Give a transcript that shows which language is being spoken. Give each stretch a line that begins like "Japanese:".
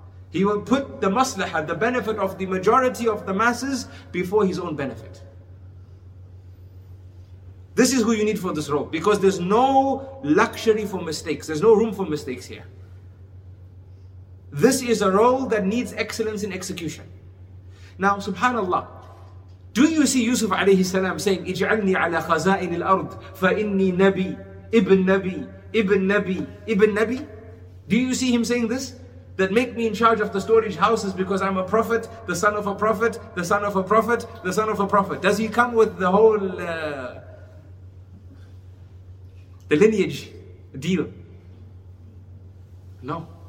English: He will put the maslaha, the benefit of the majority of the masses, before his own benefit. This is who you need for this role, because there's no luxury for mistakes. There's no room for mistakes here. This is a role that needs excellence in execution. Now, subhanAllah, do you see Yusuf alayhi salam saying,
Arabic: اجعلني على خزائن الأرض فإني نبي ابن نبي ابن نبي ابن نبي?
English: Do you see him saying this? That make me in charge of the storage houses because I'm a prophet, the son of a prophet, the son of a prophet, the son of a prophet. Does he come with the whole the lineage deal? No.